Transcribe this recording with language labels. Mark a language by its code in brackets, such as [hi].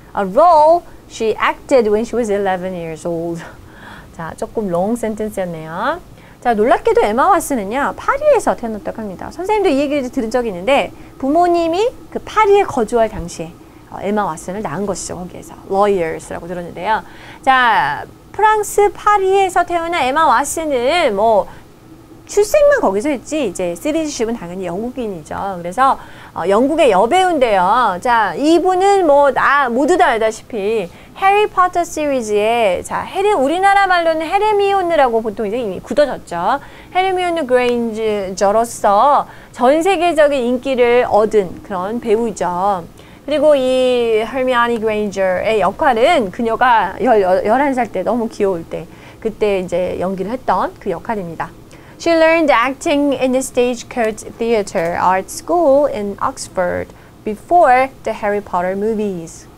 [en] A role she acted when she was 11 years old. [ko] 자, 조금 [en] long sentence [ko] 였네요. 자, 놀랍게도 에마 왓슨은요, 파리에서 태어났다고 합니다. 선생님도 이 얘기를 들은 적이 있는데, 부모님이 그 파리에 거주할 당시에 에마 왓슨을 낳은 것이죠, 거기에서. Lawyers라고 들었는데요. 자, 프랑스 파리에서 태어난 에마 왓슨은 뭐, 출생만 거기서 했지 이제 시리즈십은 당연히 영국인이죠. 그래서 영국의 여배우인데요. 자, 이분은 뭐 다 모두 다 알다시피 해리포터 시리즈의 자 해리 우리나라 말로는 헤르미온느라고 보통 이제 이미 굳어졌죠. 헤르미온느 그레인저로서 전 세계적인 인기를 얻은 그런 배우죠. 그리고 이 헤르미온느 그레인저의 역할은 그녀가 11살 때 너무 귀여울 때 그때 이제 연기를 했던 그 역할입니다. [en] She learned acting in the Stagecoach Theatre Art School in Oxford before the Harry Potter movies.